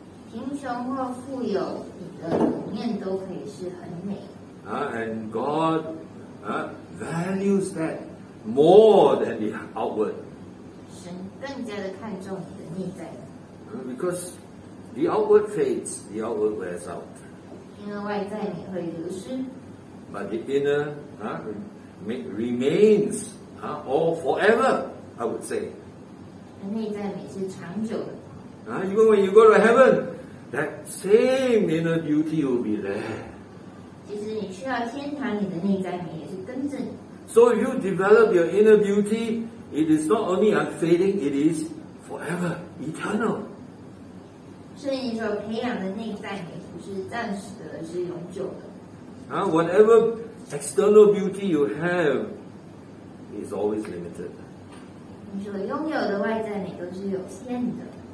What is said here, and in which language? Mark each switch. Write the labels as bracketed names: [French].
[Chinese] 贫穷或富有，你的里面都可以是很美。 [English] And God values that more than the outward. [Chinese] 神更加的看重你的内在。 [English] Because the outward fades, the outward wears out. [Chinese] 因为外在你会流失。 [English] But the inner remains all forever, I would say. [Chinese] 内在美是长久的。 [English] Even when you go to heaven, that same inner beauty will be there. [Chinese] 即使你去到天堂，你的内在美也是跟着你。 [English] So if you develop your inner beauty, it is not only unfading, it is forever, eternal. [Chinese] 圣经说，培养的内在美不是暂时的，而是永久的。 [English] Whatever external beauty you have is always limited. [Chinese] 你所拥有的外在美都是有限的。